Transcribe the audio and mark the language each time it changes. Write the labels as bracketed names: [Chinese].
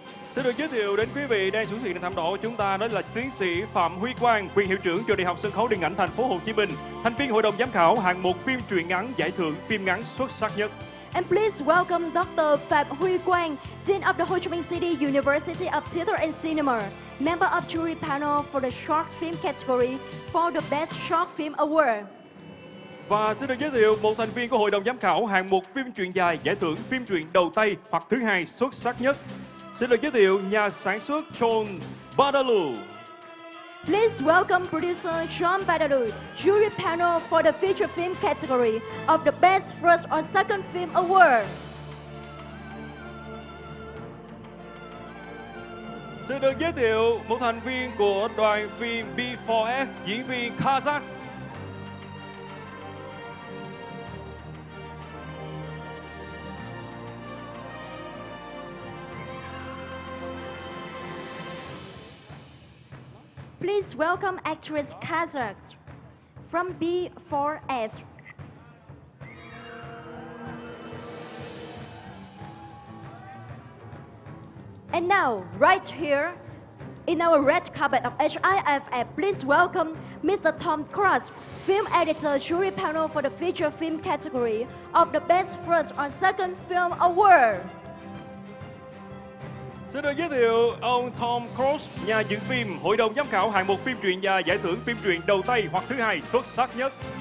[Vietnamese] Xin được giới thiệu đến quý vị đang xuất hiện trên thảm đỏ của chúng ta, đó là Tiến sĩ Phạm Huy Quang, quyền hiệu trưởng trường Đại học Sân khấu Điện ảnh Thành phố Hồ Chí Minh, thành viên hội đồng giám khảo hạng mục phim truyện ngắn giải thưởng phim ngắn xuất sắc nhất. [English] And please welcome Dr. Phạm Huy Quang, Dean of the Ho Chi Minh City University of Theater and Cinema, member of jury panel for the Short Film category for the Best Short Film Award. [Vietnamese] Và xin được giới thiệu một thành viên của hội đồng giám khảo hạng mục phim truyện dài giải thưởng phim truyện đầu tay hoặc thứ hai xuất sắc nhất. Xin được giới thiệu nhà sản xuất John Badalu. [English] Please welcome producer John Badalu, jury panel for the feature film category of the Best First or Second Film Award. [Vietnamese] Xin được giới thiệu một thành viên của đoàn phim B4S, diễn viên Kazakh. [English] Please welcome actress Kazakh from B4S. And now, right here, in our red carpet of HIFF, please welcome Mr. Tom Cross, film editor, jury panel for the feature film category of the Best First or Second Film Award. [Vietnamese] Xin được giới thiệu ông Tom Cross, nhà dựng phim, hội đồng giám khảo hạng mục phim truyện và giải thưởng phim truyện đầu tay hoặc thứ hai xuất sắc nhất.